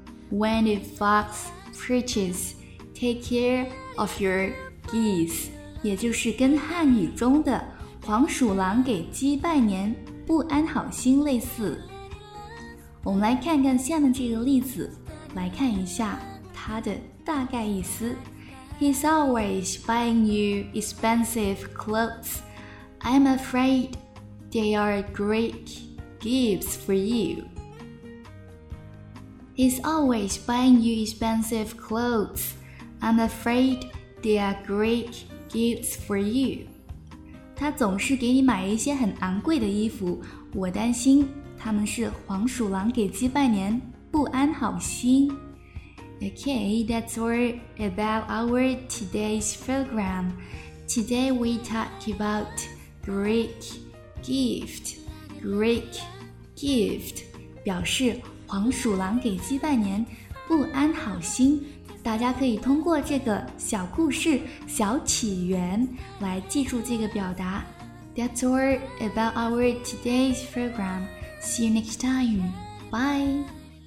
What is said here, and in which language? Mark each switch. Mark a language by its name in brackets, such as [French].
[English] When the fox preaches, take care of your geese. [Chinese] 也就是跟汉语中的黄鼠狼给鸡拜年不安好心类似。我们来看看下面这个例子，来看一下它的大概意思。 [English] He's always buying you expensive clothes. I'm afraid they are Greek gifts for you. He's always buying you expensive clothes. I'm afraid they are Greek gifts for you. [Chinese] 他总是给你买一些很昂贵的衣服，我担心他们是黄鼠狼给鸡拜年不安好心。 [English] Okay, that's all about our today's program. Today we talk about Greek gift. Greek gift [Chinese] 表示黄鼠狼给鸡拜年不安好心。大家可以通过这个小故事、小起源来记住这个表达。 [English] That's all about our today's program. See you next time. Bye.